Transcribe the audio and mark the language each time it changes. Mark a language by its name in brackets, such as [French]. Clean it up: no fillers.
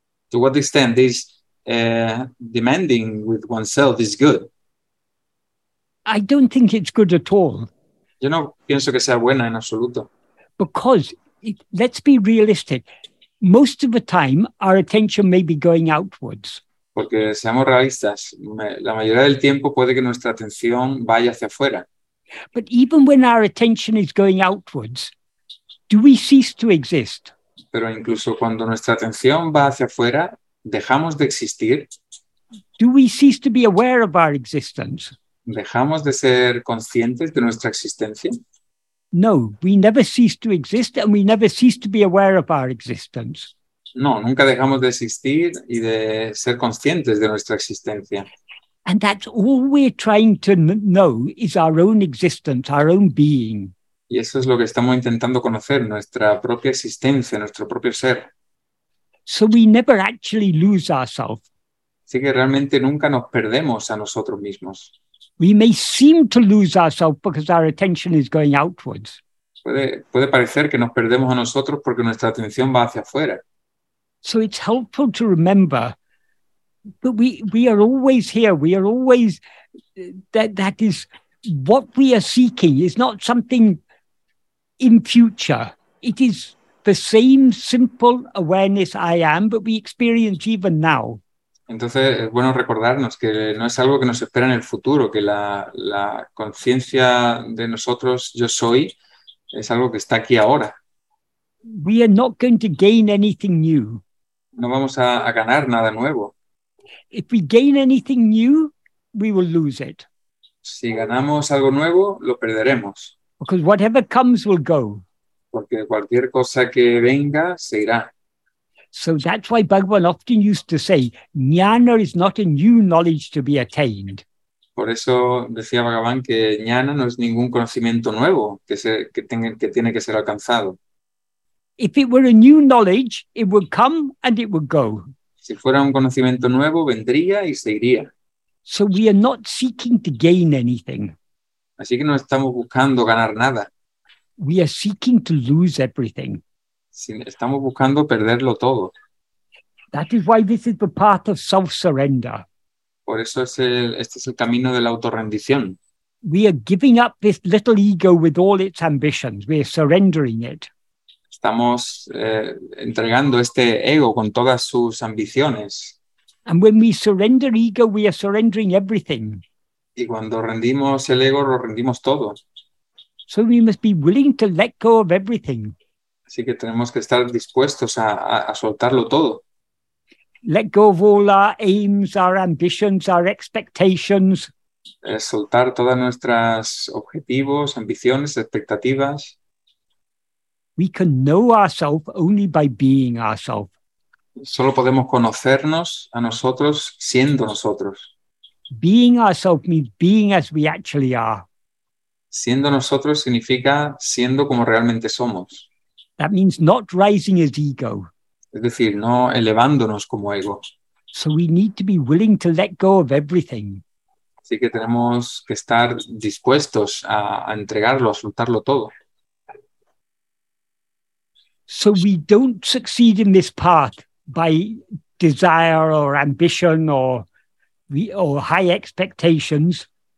[English] To what extent this demanding with oneself is good? I don't think it's good at all. [Spanish] Yo no pienso que sea buena en absoluto. [English] Because, let's be realistic, most of the time our attention may be going outwards. [Spanish] Porque seamos realistas, la mayoría del tiempo puede que nuestra atención vaya hacia afuera. [English] But even when our attention is going outwards, do we cease to exist? [Spanish] Pero incluso cuando nuestra atención va hacia afuera, ¿dejamos de existir? [English] Do we cease to be aware of our existence? [Spanish] ¿Dejamos de ser conscientes de nuestra existencia? [English] No, we never cease to exist and we never cease to be aware of our existence. [Spanish] No, nunca dejamos de existir y de ser conscientes de nuestra existencia. [English] And that's all we're trying to know is our own existence, our own being. [Spanish] Y eso es lo que estamos intentando conocer, nuestra propia existencia, nuestro propio ser. [English] So we never actually lose ourselves. [Spanish] Así que realmente nunca nos perdemos a nosotros mismos. [English] We may seem to lose ourselves because our attention is going outwards. [Spanish] Puede parecer que nos perdemos a nosotros porque nuestra atención va hacia afuera. [English] So it's helpful to remember that we are always here. We are always, that is, what we are seeking is not something in future. It is the same simple awareness I am that we experience even now. [Spanish] Entonces, es bueno recordarnos que no es algo que nos espera en el futuro, que la conciencia de nosotros, yo soy, es algo que está aquí ahora. [English] We are not going to gain anything new. [Spanish] No vamos a ganar nada nuevo. [English] If we gain anything new, we will lose it. [Spanish] Si ganamos algo nuevo, lo perderemos. [English] Because whatever comes will go. [Spanish] Porque cualquier cosa que venga, se irá. [English] So that's why Bhagavan often used to say, jnana is not a new knowledge to be attained. [Spanish] Por eso decía Bhagavan que jnana no es ningún conocimiento nuevo que tiene que ser alcanzado. [English] If it were a new knowledge, it would come and it would go. [Spanish] Si fuera un conocimiento nuevo, vendría y se iría. [English] So we are not seeking to gain anything. [Spanish] Así que no estamos buscando ganar nada. [English] We are seeking to lose everything. [Spanish] Estamos buscando perderlo todo. [English] That is why this is the path of self-surrender. [Spanish] Por eso este es el camino de la autorrendición. [English] we are giving up this little ego with all its ambitions. We are surrendering it. [Spanish] Estamos entregando este ego con todas sus ambiciones. [English] And when we surrender ego, we are surrendering everything. [Spanish] Y cuando rendimos el ego, lo rendimos todo. [English] So we must be willing to let go of everything. [Spanish] Así que tenemos que estar dispuestos a soltarlo todo. [English] Let go of all our aims, our ambitions, our expectations. [Spanish] Soltar todas nuestras objetivos, ambiciones, expectativas. [English] We can know ourselves only by being ourselves. [Spanish] Solo podemos conocernos a nosotros siendo nosotros. [English] Being ourselves means being as we actually are. [Spanish] Siendo nosotros significa siendo como realmente somos. [English] That means not rising as ego. [Spanish] Es decir, no elevándonos como ego. [English] So we need to be willing to let go of everything. [Spanish] Así que tenemos que estar dispuestos a entregarlo, a soltarlo todo. [English] So we don't succeed in this path by desire or ambition or high expectations.